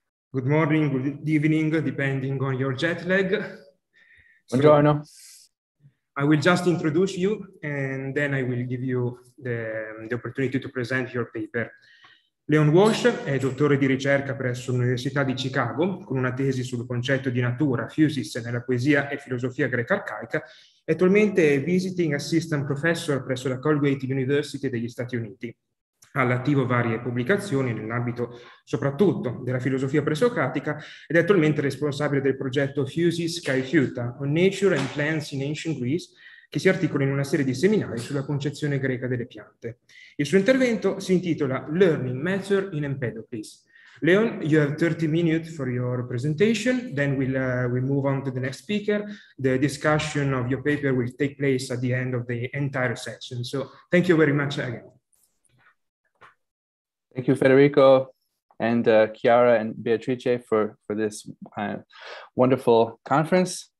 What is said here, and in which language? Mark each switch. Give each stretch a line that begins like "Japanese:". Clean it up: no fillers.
English: Good morning, good evening, depending on your jet lag.
Italian: Buongiorno.
English: I will just introduce you and then I will give you the opportunity to present your paper.
Italian: Leon Walsh è dottore di ricerca presso l'Università di Chicago con una tesi sul concetto di natura, physis, nella poesia e filosofia greca arcaica. È attualmente visiting assistant professor presso la Colgate University degli Stati Uniti. Ha all'attivo varie pubblicazioni nell'ambito soprattutto della filosofia presocratica ed è attualmente responsabile del progetto Physis Kai Futa,
English: on Nature and Plants in Ancient Greece,
Italian: che si articola in una serie di seminari sulla concezione greca delle piante. Il suo intervento si intitola
English: Learning Matter in Empedocles. Leon, you have 30 minutes for your presentation, then we'll move on to the next speaker. The discussion of your paper will take place at the end of the entire session. So thank you very much again. Thank you, Federico, and Chiara and Beatrice for this wonderful conference.